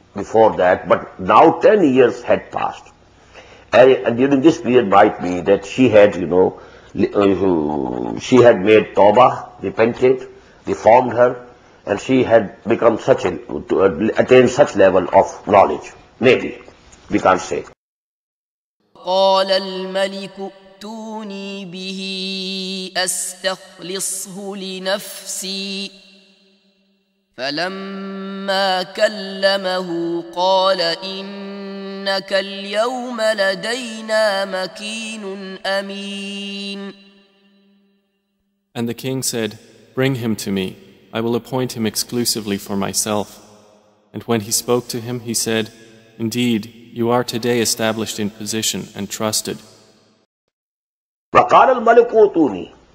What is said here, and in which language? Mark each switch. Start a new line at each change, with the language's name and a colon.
English: before that, but now 10 years had passed. And during this period might be that she had, you know, she had made Tawbah, repented, reformed her, and she had become such a, to attain such level of knowledge. Maybe, we can't say.
Arabic: قال الملك ائتوني به أستخلصه لنفسي فلما كلمه قال إنك اليوم لدينا مكين أمين.
English: And the king said, bring him to me, I will appoint him exclusively for myself. And when he spoke to him, he said, indeed, you are today established in position and trusted.
Arabic: وَقَالَ الْمَلِكُ اُوْتُونِي.